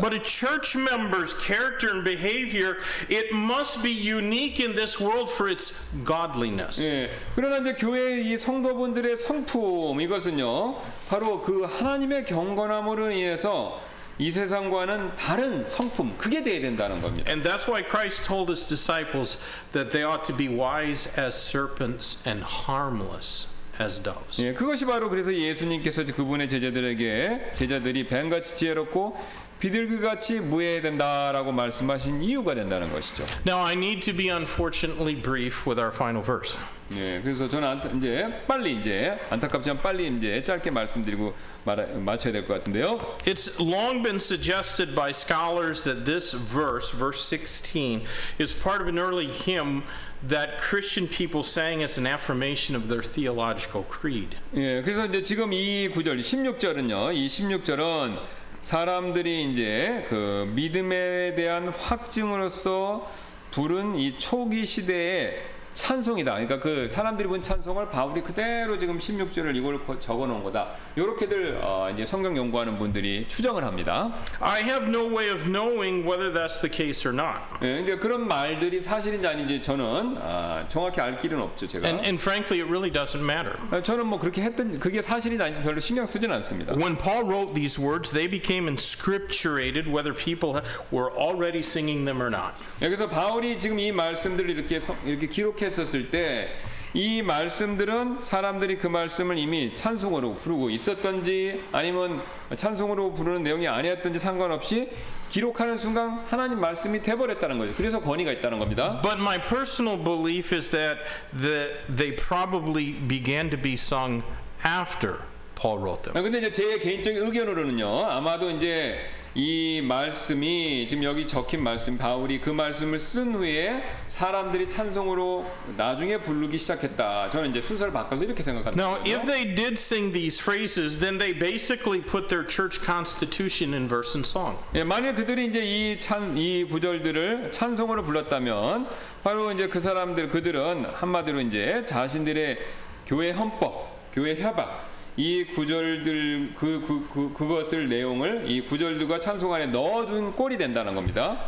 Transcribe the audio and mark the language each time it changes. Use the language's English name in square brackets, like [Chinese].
[English] But a church member's character and behavior, it must be unique in this world for its godliness. [Korean] 예, 그러나 이제 교회 이 성도분들의 성품 이것은요 바로 그 하나님의 경건함으로 인해서 이 세상과는 다른 성품 그게 돼야 된다는 겁니다. [English] And that's why Christ told his disciples that they ought to be wise as serpents and harmless as doves. [Korean] 예, 그것이 바로 그래서 예수님께서 그분의 제자들에게 제자들이 뱀같이 지혜롭고 비둘기같이 무해야 된다라고 말씀하신 이유가 된다는 것이죠. [English] Now I need to be unfortunately brief with our final verse. [Korean] 네, 그래서 저는 이제 안타깝지만 빨리 이제 짧게 말씀드리고 마쳐야 될 것 같은데요. [English] It's long been suggested by scholars that this verse, verse 16, is part of an early hymn that Christian people sang as an affirmation of their theological creed. [Korean] 예, 그래서 이제 지금 이 구절, 16절은요, 이 16절은 사람들이 이제 그 믿음에 대한 확증으로서 부른 이 초기 시대의 찬송이다. 그러니까 그 사람들이 부른 찬송을 바울이 그대로 지금 16절을 이걸 적어 놓은 거다. 이렇게들 이제 성경 연구하는 분들이 추정을 합니다. [English] I have no way of knowing whether that's the case or not. [Korean] 예, 이제 그런 말들이 사실인지 아닌지 저는 정확히 알 길은 없죠, 제가. [English] And frankly, it really doesn't matter. [Korean] 저는 뭐 그렇게 했든 그게 사실인지 아닌지 별로 신경 쓰진 않습니다. [English] When Paul wrote these words, they became inscripturated whether people were already singing them or not. [Korean] 예, 그래서 바울이 지금 이 말씀들을 이렇게 기록했었을 때 이 말씀들은 사람들이 그 말씀을 이미 찬송으로 부르고 있었던지 아니면 찬송으로 부르는 내용이 아니었던지 상관없이 기록하는 순간 하나님 말씀이 되어버렸다는 거죠. 그래서 권위가 있다는 겁니다. [English] But my personal belief is that they probably began to be sung after Paul wrote them. [Korean] 근데 이제 제 개인적인 의견으로는요, 아마도 이제 이 말씀이 지금 여기 적힌 말씀 바울이 그 말씀을 쓴 후에 사람들이 찬송으로 나중에 부르기 시작했다. 저는 이제 순서를 바꿔서 이렇게 생각합니다. [English] Now, if they did sing these phrases, then they basically put their church constitution in verse and song. [Korean] 예, 만약 그들이 이제 이 구절들을 찬송으로 불렀다면 바로 이제 그들은 한마디로 이제 자신들의 교회 헌법, 교회 협약 이 구절들 그것을 내용을 이 구절들과 찬송 안에 넣어둔 꼴이 된다는 겁니다.